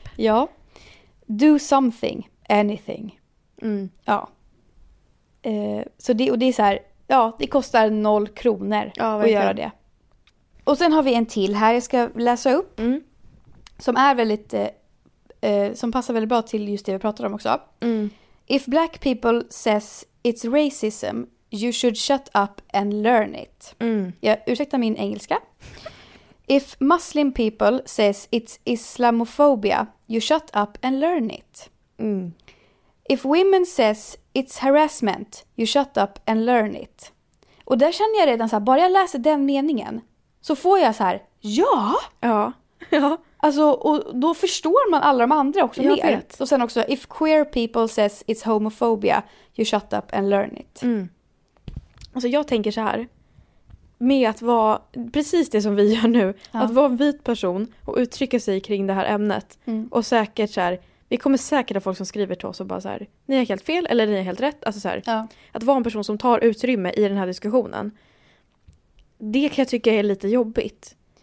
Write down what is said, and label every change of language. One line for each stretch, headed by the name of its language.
English: Ja. Do something, anything. Mm.
Swedish: Ja. Så det, och det är så här, ja, det kostar 0 kronor, ja, att göra det. Och sen har vi en till här jag ska läsa upp. Mm. Som är väldigt, som passar väldigt bra till just det vi pratade om också. Mm.
English: If black people says it's racism, you should shut up and learn it. Mm.
Swedish: Ja, ursäkta min engelska.
English: If Muslim people says it's Islamophobia, you shut up and learn it. Mm. If women says it's harassment, you shut up and learn it.
Swedish: Och där känner jag redan så här, bara jag läser den meningen så får jag så här, ja! Ja, ja. Alltså, och då förstår man alla de andra också mer. Vet. Och sen också,
English: if queer people says it's homophobia, you shut up and learn it. Mm.
Swedish: Alltså jag tänker så här, med att vara precis det som vi gör nu, ja, att vara en vit person och uttrycka sig kring det här ämnet. Mm. Och säkert så här, vi kommer säkert ha folk som skriver till oss och bara så här, ni har helt fel eller ni har helt rätt. Alltså så här, ja. Att vara en person som tar utrymme i den här diskussionen, det kan jag tycka är lite jobbigt.